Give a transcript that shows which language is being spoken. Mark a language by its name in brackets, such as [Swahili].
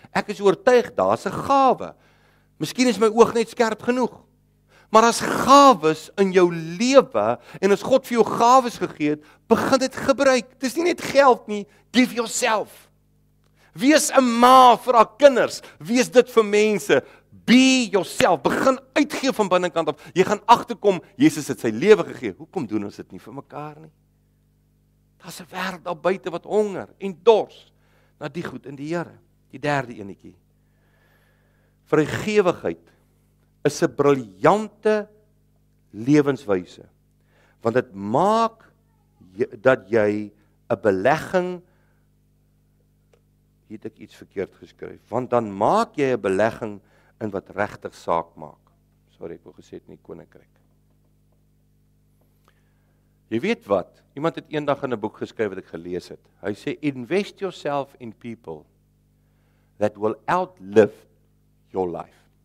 [Afrikaans] Ek is oortuig, daar's 'n gawe. Miskien is my oog net skerp genoeg. Maar as gawes in jou lewe, en as God vir jou gawes gegee het, begin dit gebruik. Dis nie net geld nie, [English] give yourself. [Afrikaans] Wees 'n ma vir haar kinders, wees dit vir mense. [English] Be yourself, [Afrikaans] begin uitgee van binnekant af. Jy gaan agterkom, Jesus het sy lewe gegee. Hoekom doen ons dit nie vir mekaar nie? Daar's 'n wêreld daar buite wat honger en dors na die goed in die Here. Die derde enetjie. Vrygewigheid is 'n briljante lewenswyse. Want dit maak dat jy 'n belegging het ek iets verkeerd geskryf, want dan maak jy 'n belegging in wat regtig saak maak. Sorry, ek wou gesê het in die koninkryk. Jy weet wat, iemand het eendag in 'n boek geskryf wat ek gelees het. Hy sê, [English] invest yourself in people that will outlive your life.